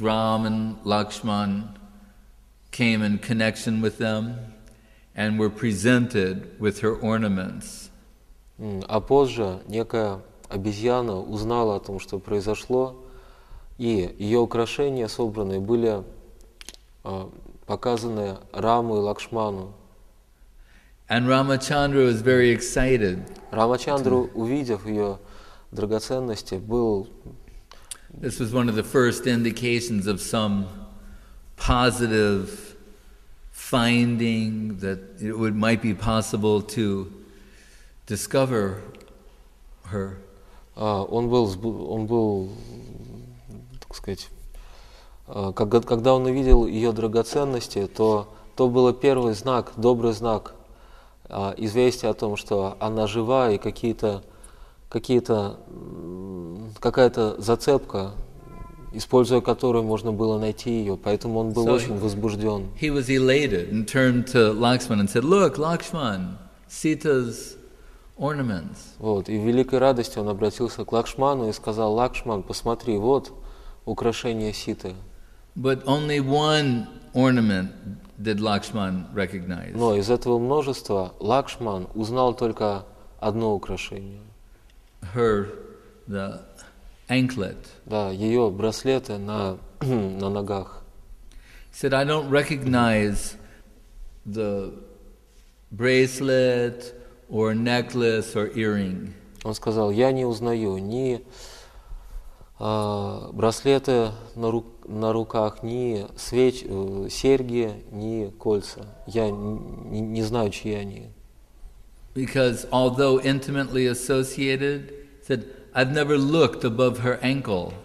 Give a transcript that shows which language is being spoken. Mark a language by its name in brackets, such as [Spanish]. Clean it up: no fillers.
[English] Ram and Lakshman came in connection with them and were presented with her ornaments. [Russian] А позже некая обезьяна узнала о том, что произошло, и ее украшения собранные были показаны Раму и Лакшману. [English] And Ramachandra was very excited. [Russian] Рамачандру, увидев ее драгоценности, был... [English] This was one of the first indications of some positive finding that it would might be possible to discover her. [Russian] Он был, так сказать, когда он увидел ее драгоценности, то был первый знак, добрый знак, известие о том, что она жива и какая-то зацепка, используя которую можно было найти ее, поэтому он был очень возбужден. [English] He was elated and turned to Lakshman and said, "Look, Lakshman, Sita's ornaments." [Russian] Вот, и в великой радости он обратился к Лакшману и сказал: "Лакшман, посмотри, вот украшение Ситы." [English] But only one ornament did Lakshman recognize. [Russian] Но из этого множества Лакшман узнал только одно украшение. [English] Her, the anklet. [Russian] Да, ее браслеты на на ногах. [English] Said, "I don't recognize the bracelet or necklace or earring." [Russian] Он сказал: "Я не узнаю ни браслеты на руках, ни серьги, ни кольца. Я не знаю, чьи они." [English] Because although intimately associated, said, "I've never looked above her ankle."